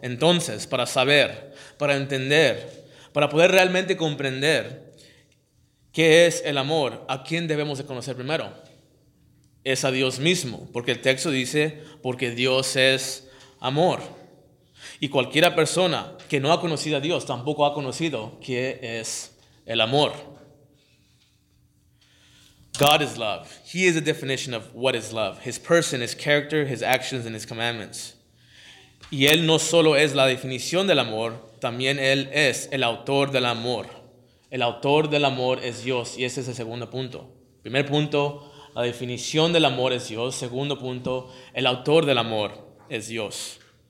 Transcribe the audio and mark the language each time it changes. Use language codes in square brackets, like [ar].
[es] Entonces, para saber, para entender, para poder realmente comprender qué es el amor, ¿a quién debemos de conocer primero? Es a Dios mismo, porque el texto dice, porque Dios es amor. Y cualquiera persona que no ha conocido a Dios tampoco ha conocido qué es el amor. [en] God is love. He is the definition of what is love. His person, his character, his actions and his commandments. [es] Y Él no solo es la definición del amor, también Él es el autor del amor. El autor del amor es Dios, y ese es el segundo punto. Primer punto, la definición del amor es Dios. Segundo punto, el autor del amor es Dios.